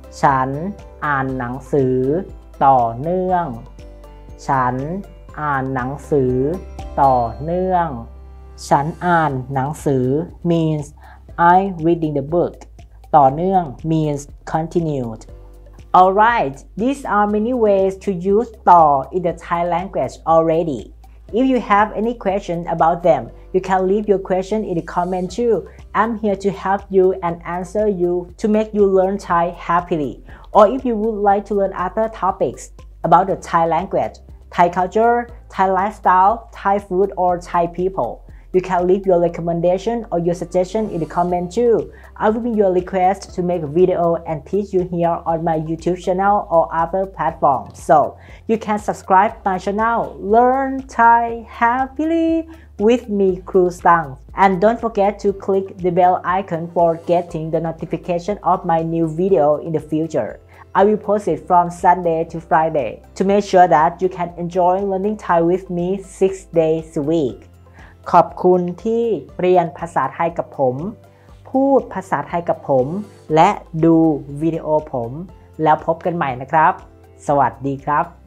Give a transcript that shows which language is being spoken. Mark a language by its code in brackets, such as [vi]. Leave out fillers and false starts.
[th] ฉันอ่านหนังสือต่อเนื่องฉันอ่านหนังสือต่อเนื่อง ฉันอ่านหนังสือ [en] meansI reading the book. [th] ต่อเนื่อง [en] means continued. Alright, these are many ways to use ต่อ in the Thai language already. If you have any questions about them, you can leave your question in the comment too. I'm here to help you and answer you to make you learn Thai happily. Or if you would like to learn other topics about the Thai language, Thai culture, Thai lifestyle, Thai food or Thai people. You can leave your recommendation or your suggestion in the comment too. I will be your request to make a video and teach you here on my YouTube channel or other platforms. So you can subscribe my channel, Learn Thai Happily with me, Kru Stang. And don't forget to click the bell icon for getting the notification of my new video in the future. I will post it from Sunday to Friday to make sure that you can enjoy learning Thai with me 6 days a week. [th] ขอบคุณที่เรียนภาษาไทยกับผมพูดภาษาไทยกับผมและดูวิดีโอผมแล้วพบกันใหม่นะครับสวัสดีครับ